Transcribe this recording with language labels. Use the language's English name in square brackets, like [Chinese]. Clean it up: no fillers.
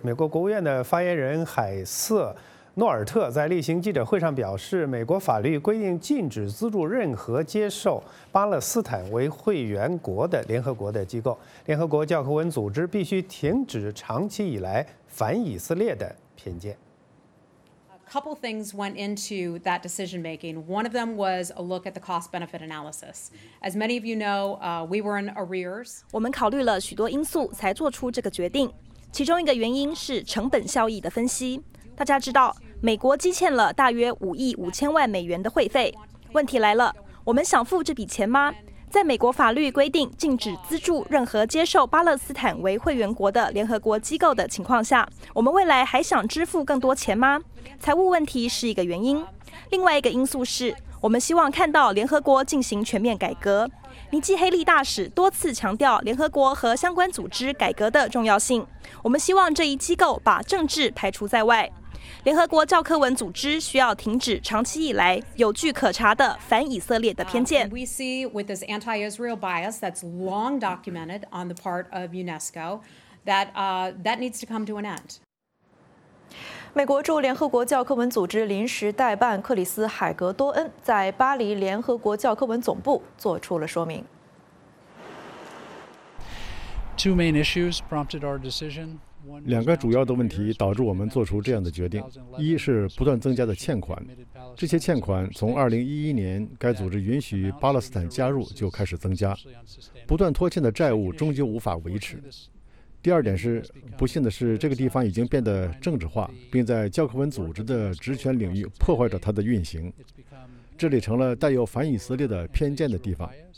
[Chinese] 美国国务院的发言人海瑟·诺尔特在例行记者会上表示，美国法律规定禁止资助任何接受巴勒斯坦为会员国的联合国的机构，联合国教科文组织必须停止长期以来反以色列的偏见。 [English] Couple things went into that decision making. One of them was a look at the cost-benefit analysis. As many of you know, we were in arrears. [Chinese] 我们考虑了许多因素才做出这个决定。其中一个原因是成本效益的分析。大家知道，美国积欠了大约5亿5000万美元的会费。问题来了，我们想付这笔钱吗？在美国法律规定禁止资助任何接受巴勒斯坦为会员国的联合国机构的情况下，我们未来还想支付更多钱吗？财务问题是一个原因，另外一个因素是我们希望看到联合国进行全面改革。尼基黑利大使多次强调联合国和相关组织改革的重要性，我们希望这一机构把政治排除在外。联合国教科文组织需要停止长期以来有据可查的反以色列的偏见。 [English] We see with this anti-Israel bias that's long documented on the part of UNESCO that that needs to come to an end. [Chinese] 美国驻联合国教科文组织临时代办克里斯·海格多恩在巴黎联合国教科文总部做出了说明。 [English] Two main issues prompted our decision. [Chinese] 两个主要的问题导致我们做出这样的决定，一是不断增加的欠款，这些欠款从2011年该组织允许巴勒斯坦加入就开始增加，不断拖欠的债务终究无法维持。第二点是，不幸的是这个地方已经变得政治化，并在教科文组织的职权领域破坏着它的运行，这里成了带有反以色列的偏见的地方。